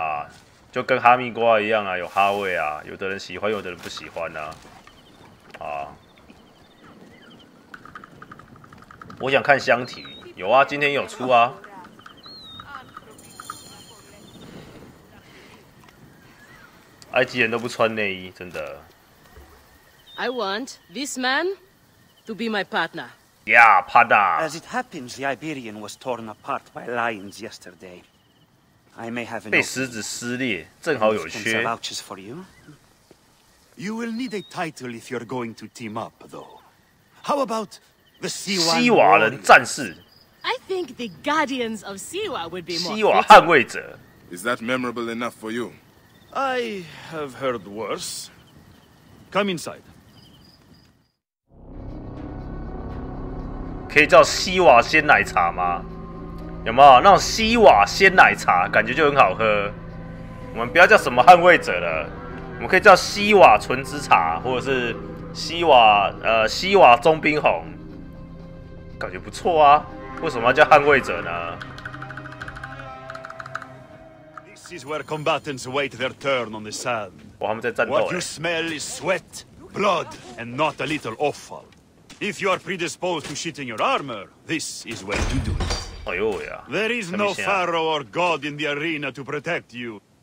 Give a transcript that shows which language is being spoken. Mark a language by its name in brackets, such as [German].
[Chinese] 啊，就跟哈密瓜一样啊，有哈味啊，有的人喜欢，有的人不喜欢啊。啊，我想看箱体，有啊，今天有出啊。埃及人都不穿内衣，真的。 [English] I want this man to be my partner. Yeah, Pada. As it happens, the Iberian was torn apart by lions yesterday. I may have an. [Chinese] 被狮子撕裂，正好有缺。 [English] Vouches for you. You will need a title if you're going to team up, though. How about the Siwa? [Chinese] 西瓦人战士。 [English] I think the Guardians of Siwa would be more. [Chinese] 西瓦捍卫者。 [English] Is that memorable enough for you? I have heard worse. Come inside. [Chinese] 可以叫西瓦鲜奶茶吗？有没有那种西瓦鲜奶茶，感觉就很好喝。我们不要叫什么捍卫者了，我们可以叫西瓦纯之茶，或者是西瓦中冰红，感觉不错啊。为什么要叫捍卫者呢？ [English] This is where combatants wait their turn on the sand. [Chinese] 哇，他们在战斗。 [English] What you smell is sweat, blood, and not a little offal. If you are predisposed to shitting your armor, this is where you do it. 哎呦呀！ There is no pharaoh or god in the arena to protect you.